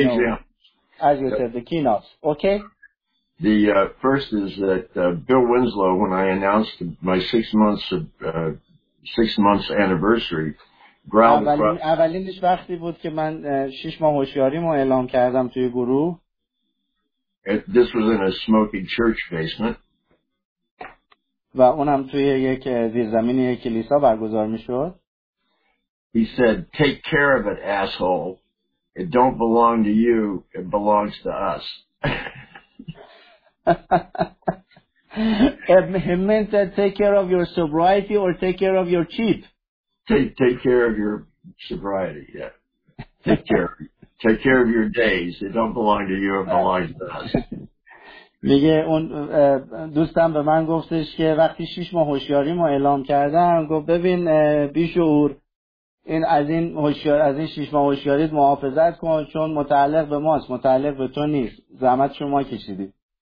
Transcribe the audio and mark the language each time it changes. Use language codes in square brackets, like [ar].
[en] you know, as you said, the keynotes, okay? The first is that Bill Winslow, when I announced my 6 months of 6 months anniversary, growled across. [fa] اولینش وقتی بود که من 6 ماه هوشیاریمو اعلام کردم توی گروه. [en] This was in a smoking church basement. [fa] و اونم توی یک زیرزمینی یک کلیسا برگزار میشد. [en] He said, "Take care of it, asshole. It don't belong to you. It belongs to us." He meant that take care of your sobriety or take care of your cheap. Take care of your sobriety. Yeah. Take care of your days. It don't belong to you. It belongs to us. [fa] میگه اون دوستم به من گفتش که وقتی 6 ماه هوشیاریمو اعلام کردم گفت ببین بیشعور این از این هوشیار از این 6 ماه هوشیاریت محافظت کن چون متعلق به ماست متعلق به تو نیست زحمت شما کشیدی.